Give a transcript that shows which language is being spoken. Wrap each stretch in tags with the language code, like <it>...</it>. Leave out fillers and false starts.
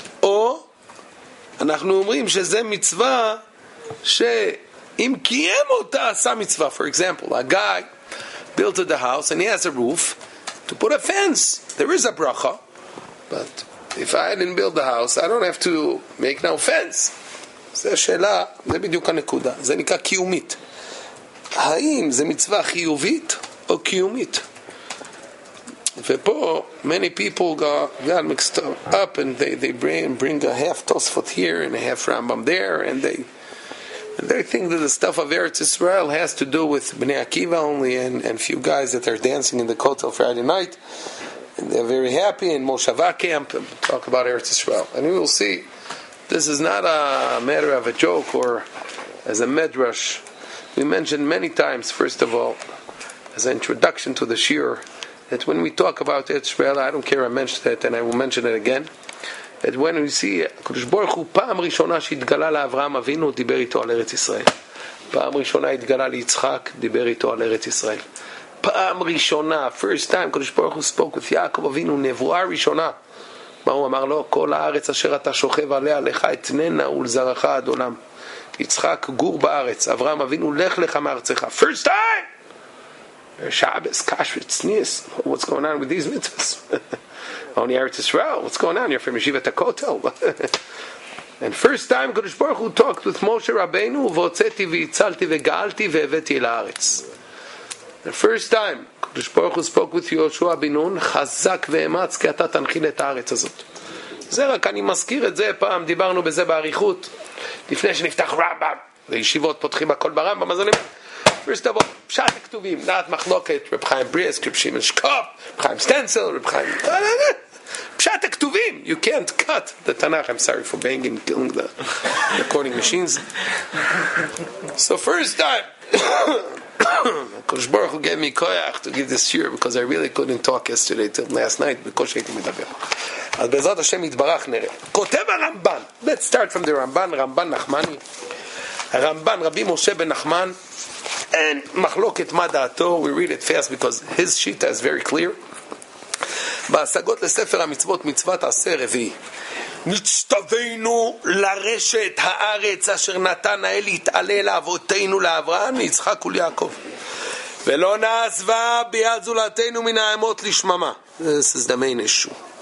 <he>Or, אנחנו אומרים שזה מצווה שאם קיים אותה עשה מצווה.</he> <en>For example, a guy built the house and he has a roof to put a fence. There is a bracha, but if I didn't build the house, I don't have to make no fence.</en> <he>זה שאלה, זה בדיוק הנקודה. זה נקרא קיומית. האם זה מצווה חיובית או קיומית?</he> <en>Before, many people got mixed up and they bring a half Tosfot here and a half Rambam there, and they think that the stuff of Eretz Israel has to do with Bnei Akiva only and a few guys that are dancing in the Kotel Friday night, and they're very happy in Moshava camp and talk about Eretz Israel. And you will see, this is not a matter of a joke or as a medrash. We mentioned many times, first of all, as an introduction to the shir, that when we talk about Eretz Yisrael, I don't care, I mentioned it, and I will mention it again, that when we see, Kodesh Baruch Hu,</en> <he>פעם ראשונה שהתגלה לאברהם אבינו, דיבר איתו על ארץ ישראל. פעם ראשונה התגלה ליצחק, דיבר איתו על ארץ ישראל. פעם ראשונה,</he> <en>first time, Kodesh Baruch Hu spoke with יעקב אבינו,</en> <he>נבואה ראשונה. מה הוא אמר לו? כל הארץ אשר אתה שוכב עליה, לך אתננה ולזרעך עד עולם. יצחק גור בארץ, אברהם אבינו, לך לך מארצך.</he> <en>First time! Shabbos, Kashrut, Snis. What's going on with these mitzvahs? Only Eretz Yisrael. What's going on? You're from Yeshiva Takotel. And first time, Kodesh Baruch Hu talked with Moshe Rabbeinu,</en> <he>Votzeti v'itzalti v'galti v'eveti la'aretz.</he> <en>The first time, Kodesh Baruch Hu spoke with Yoshua Binun,</en> <he>Chazak v'ematz, ki ata tanchil et ha'aretz hazot. זה רק אני מזכיר את זה פעם, דיברנו בזה באריכות, לפני שנפתח רמב"ם, וישיבות פותחים הכל ברמב"ם, אז אני...</he> <en>First of all,</en> <he>פשט הכתובים, נעת מחלוקת, רב חיים בריאס, רב שימן שקוף, רב חיים סטנצל, רב חיים... פשט הכתובים,</he> <en>you can't cut the Tanakh, I'm sorry for banging and killing the recording machines. So first time, Kodesh Baruch Hu gave me koyach to give this shir, because I really couldn't talk yesterday till last night, because</en> <he>הייתי מדבר. אז בעזרת השם יתברך נראה. כותב הרמב"ן,</he> <en>let's start from the</en> <he>רמב"ן, רמב"ן נחמני. הרמב"ן, רבי משה בן נחמן,</he> <en>and</en> <he>מחלוקת מה דעתו,</he> <en>we read it fast because his shita is very clear.</en> <he>בהשגות לספר המצוות, מצוות עשה רביעי, נצטווינו לרשת הארץ אשר נתן האל יתעלה לאבותינו לאברהם, יצחק וליעקב, ולא נעזבה ביד זולתנו מן האמות לשממה.</he> <en>This is the main issue.</en>